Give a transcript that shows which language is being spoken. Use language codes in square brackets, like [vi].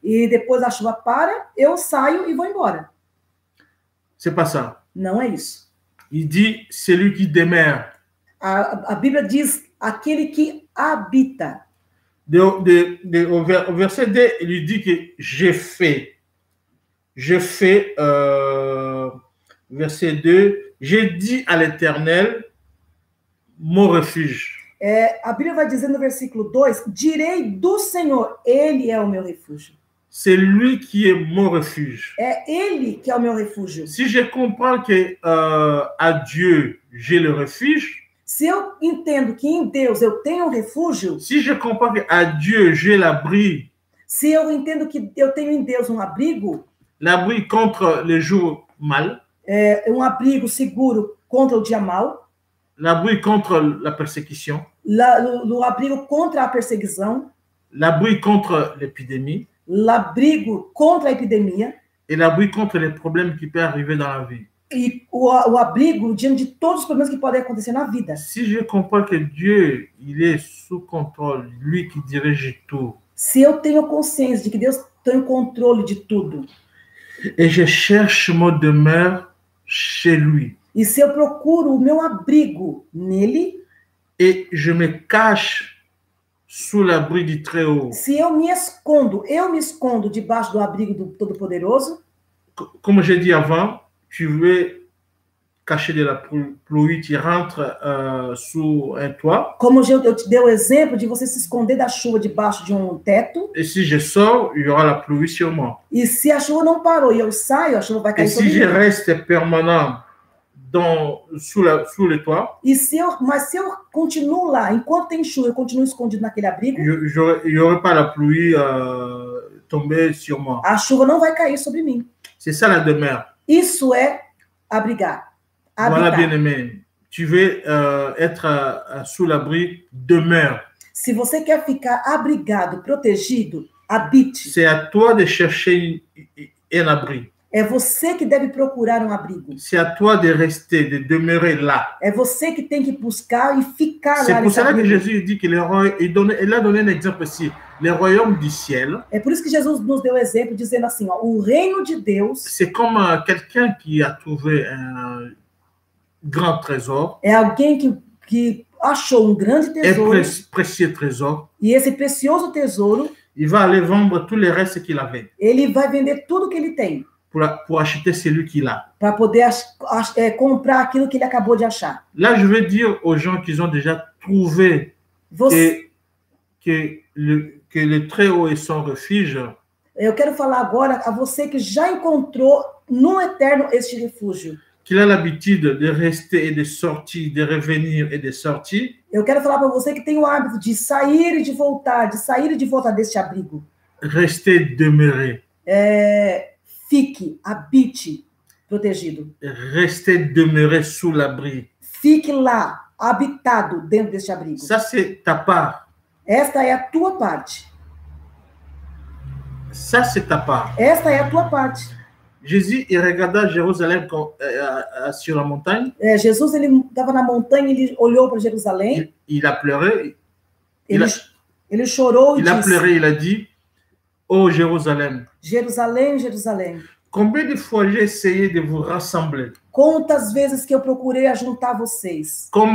[pt] E depois a chuva para, eu saio e vou embora. [fr] C'est pas ça. [pt] Não é isso. [fr] Il dit celui qui demeure. [pt] A Bíblia diz aquele que habita. [fr] Au verset 2, il lui dit que verset 2, j'ai dit à l'Éternel mon refuge. [pt] A Bíblia vai dizer no versículo 2, direi do Senhor, ele é o meu refúgio. [fr] C'est lui qui est mon refuge. [pt] É ele que é o meu refúgio. [fr] Si je comprends que à Dieu, j'ai le refuge. [pt] Se eu entendo que em Deus eu tenho um refúgio. [fr] Si je comprends que à Dieu j'ai l'abri. [pt] Se eu entendo que eu tenho em Deus um abrigo. [fr] L'abri contre les jours mal. [pt] É um abrigo seguro contra o dia mau. [fr] L'abri contre la persécution. [pt] L'abrigo contra a perseguição. [fr] L'abri contre l'épidémie. [pt] L'abrigo contra a epidemia. [fr] Et l'abri contre les problèmes qui peuvent arriver dans la vie. [pt] E o abrigo diante de todos os problemas que podem acontecer na vida. [fr] Si je comprends que Dieu, il est sous contrôle, lui qui dirige tout. [pt] Se eu tenho consciência de que Deus tem o controle de tudo. [fr] Et je cherche mon demeure chez lui. [pt] E se eu procuro o meu abrigo nele. [fr] Et je me cache sous l'abri du Très-Haut. [pt] Se eu me escondo, debaixo do abrigo do Todo-Poderoso. [fr] Como j'ai dit avant, tu veux cacher de la pluie, tu rentres sous un toit. [pt] Como eu te dei o exemplo de você se esconder da chuva debaixo de teto. [fr] Et si je sors, il y aura la pluie sur moi. [pt] E se a chuva não parou e eu saio, a chuva vai cair sobre mim. [fr] Et si je reste permanent sous le toit. [pt] E se eu continuo lá, enquanto tem chuva, eu continuo escondido naquele abrigo. [fr] Il n'y aura pas la pluie tomber sur moi. [pt] A chuva não vai cair sobre mim. [fr] C'est ça la demeure. [pt] Isso é abrigar. Habitar. [fr] Voilà, bien-aimé. Tu veux être sous l'abri, demeure. [pt] Se você quer ficar abrigado, protegido, habite. [fr] C'est à toi de chercher un abri. [pt] É você que deve procurar abrigo. [fr] C'est à toi de rester, de demeurer là. [pt] É você que tem que buscar e ficar [fr] c'est là. C'est pour cela que Jésus dit que les royaumes. Il a donné un exemple aussi. Le royaume du ciel. [pt] É por isso que Jesus nos deu exemplo, dizendo assim: ó, o reino de Deus. [fr] C'est comme quelqu'un qui a trouvé un grand trésor. [pt] É alguém que achou grande tesouro. [fr] Un précieux trésor. [pt] E esse precioso tesouro. [fr] Il va aller vendre tous les restes qu'il avait. [pt] Ele vai vender tudo que ele tem. [fr] Pour acheter celui qu'il a. [pt] Para poder comprar aquilo que ele acabou de achar. [fr] Là, je veux dire aux gens qu'ils ont déjà trouvé que le Très-Haut est son refuge. [pt] Eu quero falar agora a você que já encontrou no eterno este refúgio. [fr] Qu'il a l'habitude de rester et de sortir, de revenir et de sortir. [pt] Eu quero falar para você que tem o hábito de sair e de voltar, deste abrigo. [fr] Rester, demeurer. [pt] Fique, habite, protegido. [fr] Restez, demeurez sous l'abri. [pt] Fique lá, habitado dentro deste abrigo. [fr] Ça c'est ta part. [pt] Esta é a tua parte. [fr] Ça c'est ta part. [pt] Esta é a tua parte. [fr] Jésus il regarda Jérusalem sur la montagne. [pt] Jesus ele estava na montanha, ele olhou para Jerusalém. [fr] Il a pleuré. [pt] Ele chorou e disse. [fr] Il a pleuré, il a dit: Oh Jérusalem. Jérusalem, Jérusalem. Combien de fois j'ai essayé de vous rassembler? [pt] Quantas vezes que eu procurei juntar vocês?